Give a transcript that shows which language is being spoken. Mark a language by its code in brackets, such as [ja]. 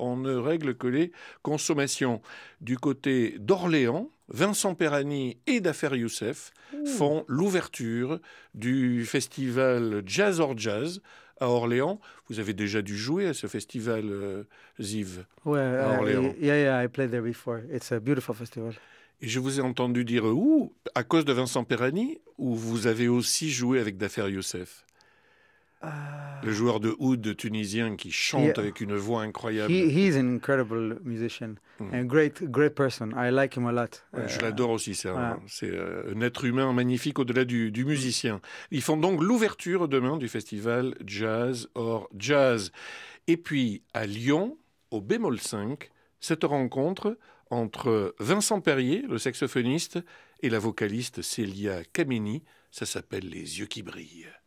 [fr] On ne règle que les consommations. Du côté d'Orléans, Vincent Perani et Dafer Youssef font l'ouverture du festival Jazz or Jazz à Orléans. Vous avez déjà dû jouer à ce festival, Ziv, ouais, à Orléans. [en] Yeah, I played there before. It's a beautiful festival. [fr] Et je vous ai entendu dire où, à cause de Vincent Perani, où vous avez aussi joué avec Dafer Youssef. Le joueur de oud tunisien qui chante avec une voix incroyable. [en] He's an incredible musician and great person. I like him a lot. [fr] Je l'adore aussi. C'est un être humain magnifique au-delà du musicien. Ils font donc l'ouverture demain du festival Jazz or Jazz. Et puis à Lyon, au Bémol 5, cette rencontre entre Vincent Perrier, le saxophoniste, et la vocaliste Célia Kameni, ça s'appelle Les yeux qui brillent.